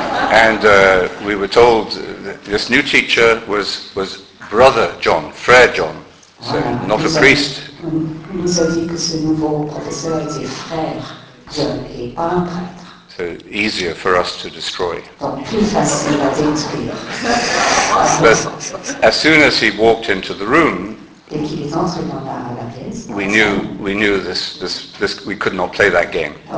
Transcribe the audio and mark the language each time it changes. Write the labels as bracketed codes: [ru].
[en] And we were told that this new teacher was Brother John, Frère John, so voilà, not a priest. [fr] Nous a dit que ce nouveau professeur était Frère John et pas un prêtre. [en] easier for us to destroy. But as soon as he walked into the room, we knew this, we could not play that game.